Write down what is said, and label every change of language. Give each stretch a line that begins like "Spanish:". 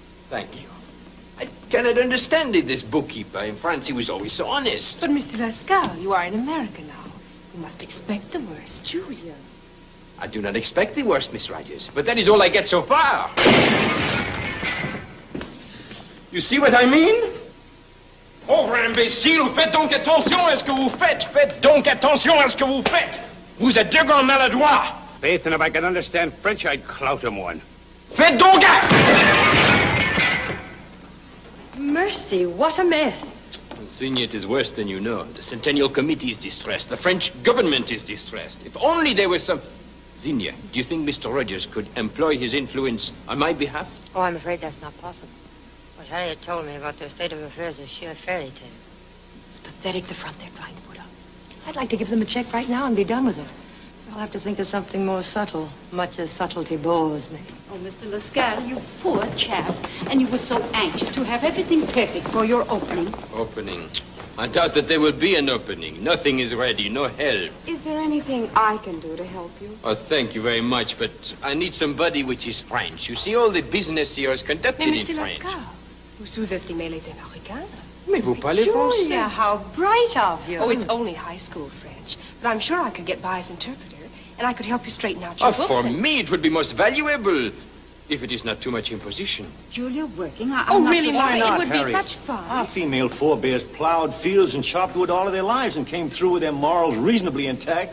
English: Thank you. I cannot understand it, this bookkeeper. In France, he was always so honest. But, Mr. Lascaux, you are in America now. You must expect the worst, Julia. I do not expect the worst, Miss Rogers. But that is all I get so far. You see what I mean?
French: Pauvre imbécile, faites donc attention à ce que vous faites. Faites donc attention à ce que vous faites. Vous êtes de grands maladroits.
English: Faith, and if I can understand French, I'd clout him one.
French: Faites donc!
English: Mercy, what a mess. Signor, it is worse than you know. The Centennial Committee is distressed. The French government is distressed. If only there were some... Signor, do you think Mr. Rogers could employ his influence on my behalf? Oh, I'm afraid that's not possible. What Harriet told me about their state of affairs is sheer fairy tale. It's pathetic, the front they're trying to put up. I'd like to give them a check right now and be done with it. I'll have to think of something more subtle, much as subtlety bores me. Oh, Mr. Lascaux, you poor chap. And you were so anxious to have everything perfect for your opening. Opening? I doubt that there will be an opening. Nothing is ready, no help. Is there anything I can do to help you? Oh, thank you very much, but I need somebody which is French. You see, all the business here is conducted
French: Mais
English: in French.
French: Mais, Monsieur Lascaux, vous sous-estimez les Américains. Mais vous parlez français.
English: Julia, how bright of you. Oh, it's only high school French. But I'm sure I could get by as interpreter. And I could help you straighten out your books. Oh, for me, it would be most valuable if it is not too much imposition. Julia, working, I'm oh, not really, Mother, not, it would Harriet. Be such fun. Our female forebears plowed fields and chopped wood all of their lives and came through with their morals reasonably intact.